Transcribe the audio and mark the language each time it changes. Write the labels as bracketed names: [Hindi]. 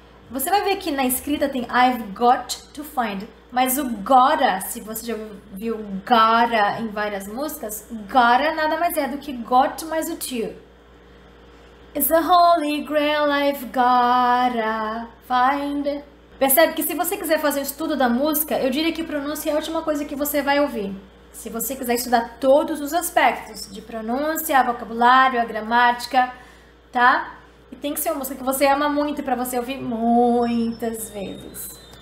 [Portuguese] Você vai ver que na escrita tem [English] I've got to find, [Portuguese] mas o gotta, se você já viu gotta em várias músicas, gotta nada mais é do que got mais o to. [English] It's the holy grail I've gotta find. [Portuguese] Percebe que se você quiser fazer o estudo da música, eu diria que pronúncia é a última coisa que você vai ouvir. Se você quiser estudar todos os aspectos de pronúncia, vocabulário, a gramática, tá? E tem que ser uma música que você ama muito pra você ouvir muitas vezes.